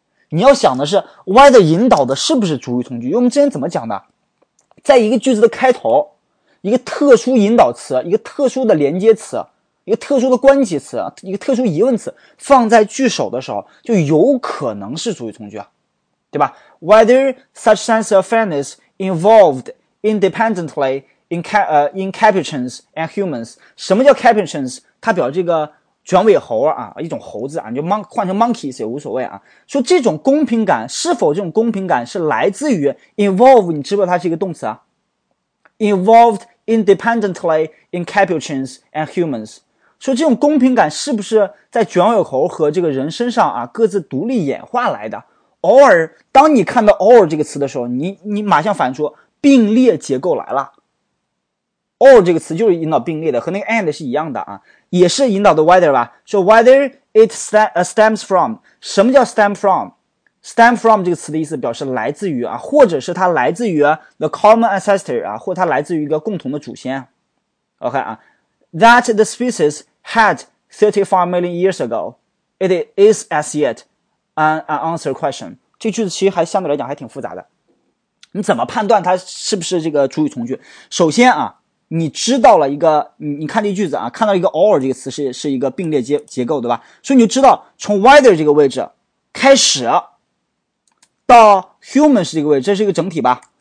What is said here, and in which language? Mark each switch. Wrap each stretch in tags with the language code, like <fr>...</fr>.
<zh>你要想的是 why 的引导的是不是主语从句，因为我们之前怎么讲的，在一个句子的开头，一个特殊引导词，一个特殊的连接词，一个特殊的关系词，一个特殊疑问词放在句首的时候，就有可能是主语从句啊，对吧？</zh> <en>Whether such sense of fairness involved independently in capuchins and humans.</en> <zh>什么叫 capuchins? 它表这个卷尾猴啊，一种猴子啊，你就换成 monkeys 也无所谓啊。说这种公平感，是否这种公平感是来自于 involve, 你知不知道它是一个动词啊？</zh> <en>Involved independently in capuchins and humans。</en> <zh>说这种公平感是不是在卷尾猴和这个人身上啊各自独立演化来的？偶尔，当你看到 or 这个词的时候，你马上反应出并列结构来了。 or 这个词就是引导并列的，和那个 and 是一样的啊，也是引导的 whether 吧。说</zh> <en>whether it stems from,</en> <zh>什么叫 stem from? stem from 这个词的意思表示来自于啊，或者是它来自于</zh> <en>the common ancestor</en> <zh>啊，或它来自于一个共同的祖先。 OK 啊。</zh> <en>That the species had 35 million years ago, it is as yet an unanswered question.</en> <zh>这句子其实还相对来讲还挺复杂的。你怎么判断它是不是这个主语从句？首先啊，你知道了一个，你看这句子啊，看到一个 or 这个词是一个并列结构，对吧？所以你就知道从 whether 这个位置开始到 humans 这个位置，这是一个整体吧？</zh>